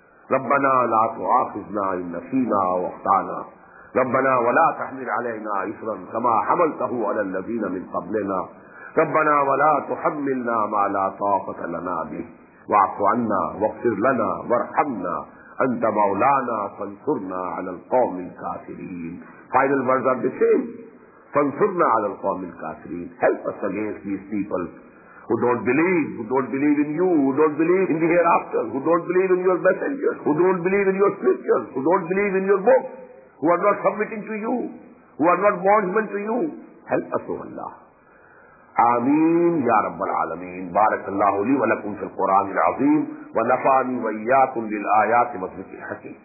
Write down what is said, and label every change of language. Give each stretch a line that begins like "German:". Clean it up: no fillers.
Arabic: رَبَّنَا لَا تُعَاخِذْنَا إِن نَسِيْنَا وَأَخْطَانَا رَبَّنَا وَلَا تَحْمِلْ عَلَيْنَا إِسْرًا كَمَا حَمَلْتَهُ عَلَى الَّذِينَ مِنْ قَبْلِنَا رَبَّنَا وَلَا تُحَمِّلْنَا مَا لَا طَاقَةَ لَنَا بِهِ وَاعْفُ عَنَّا وَاغْفِرْ لَنَا وَارْحَمْنَا أنت مولانا فانصرنا على القوم الكافرين.
English: Final words are the same.
Arabic: فانصرنا على القوم الكافرين.
English: Help us against these people who don't believe in you, who don't believe in the hereafter, who don't believe in your messengers, who don't believe in your scriptures, who don't believe in your books, who are not submitting to you, who are not bondsmen to you. Help us, O Allah.
Arabic: آمين يا رب العالمين بارك الله لي ولكم في القرآن العظيم ونفعني وإياكم للآيات والذكر الحكيم.